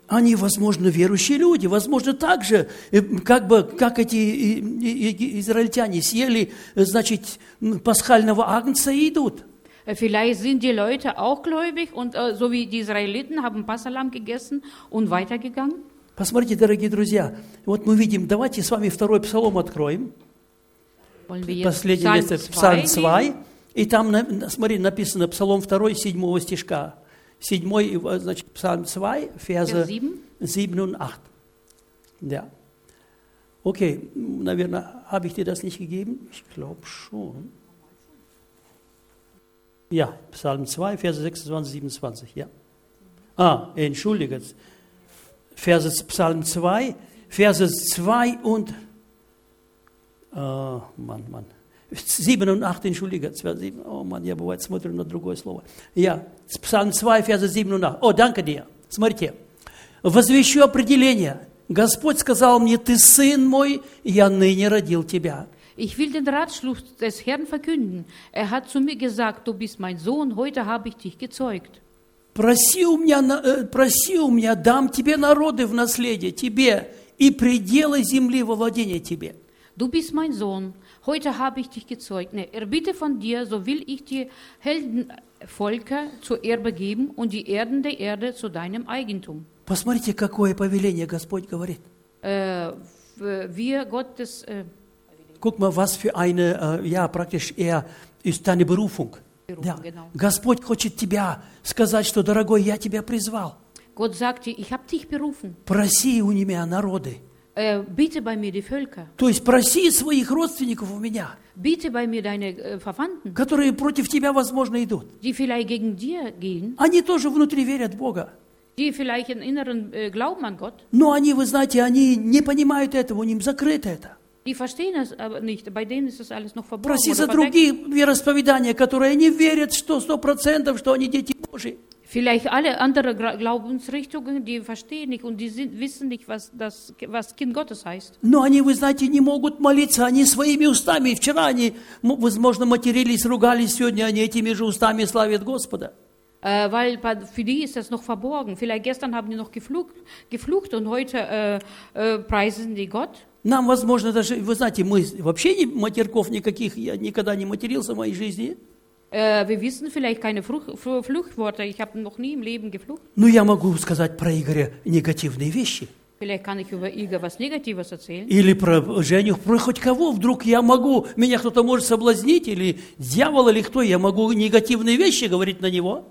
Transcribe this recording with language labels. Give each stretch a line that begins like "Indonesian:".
Russian: Они, возможно, верующие люди, возможно, так же, как бы, как эти израильтяне съели, значит, пасхального агнца и идут.
German: Vielleicht sind die Leute auch gläubig und so wie die Israeliten haben Passahlamm gegessen und weitergegangen.
Russian: Посмотрите, дорогие друзья, вот мы видим, давайте с вами второй Псалом откроем. Последнее место, Псалм 2. И там, смотри, написано Псалом 2, 7 стишка. 7, значит, Псалм 2,
German: Verse 7 und 8.
Russian: Да. Окей, наверное,
German: habe ich dir das nicht gegeben? Ich glaube schon. Ja, Psalm 2, Verse 26, 27, ja. Ah, entschuldige, Verse, Psalm 2, Verse 2 und, oh Mann, Mann, 7 und 8, entschuldige, oh Mann, ja,
Russian: бывает, смотрю на другое слово.
German: Ja, Psalm 2, Verse 7 und 8, oh, danke dir,
Russian: смотрите. Возвещу определение, Господь сказал мне, ты сын мой, я ныне родил тебя.
German: Ich will den Ratschluss des Herrn verkünden. Er hat zu mir gesagt, du bist mein Sohn, heute habe ich dich gezeugt.
Russian: Проси у меня, дам тебе народы в наследие, тебе, и пределы земли во владение тебе.
German: Du bist mein Sohn. Heute habe ich dich gezeugt. Ne, erbitte von dir, so will ich dir Heldenvölker zur Erbe geben und die Erden der Erde zu deinem Eigentum.
Russian: Посмотрите, какое повеление Господь говорит.
German: Wir Gottes. Guck mal, was für eine, ja, praktisch eher ist deine Berufung. Ja.
Russian: Господь хочет тебя сказать, что, дорогой, я тебя призвал.
German: Gott sagt dir, ich habe dich berufen.
Russian: Проси у меня народы.
German: Bitte bei mir die Völker.
Russian: То есть проси своих родственников у меня.
German: Bitte bei mir deine Verwandten.
Russian: Которые против тебя, возможно, идут.
German: Die vielleicht gegen dir gehen.
Russian: Они тоже внутри верят Бога.
German: Die vielleicht im Inneren glauben an Gott.
Russian: Но они, вы знаете, они не понимают этого, у них закрыто это.
German: Die verstehen es aber nicht. Bei denen ist das alles noch verborgen.
Russian: Проси за другие вероисповедания, которые они верят, что 100%, что они дети Божьи.
German: Vielleicht alle andere Glaubensrichtungen, die verstehen nicht und die sind, wissen nicht, was das, was Kind Gottes heißt.
Russian: Но они, вы знаете, не могут молиться, они своими устами. Вчера они, возможно, матерились, ругались, сегодня они этими же устами славят Господа.
German: Weil für die ist das noch verborgen. Vielleicht gestern haben die noch geflucht und heute preisen die Gott.
Russian: Нам, возможно, даже, вы знаете, мы вообще не матерков никаких, я никогда не матерился в моей жизни.
German: Wir wissen vielleicht keine Fluchworte. Ich habe noch nie im Leben geflucht.
Russian: Но я могу сказать про Игоря негативные вещи.
German: Vielleicht kann ich über Igor was Negatives erzählen.
Russian: Или про Женю, про хоть кого. Вдруг я могу, меня кто-то может соблазнить, или дьявол, или кто, я могу негативные вещи говорить на него.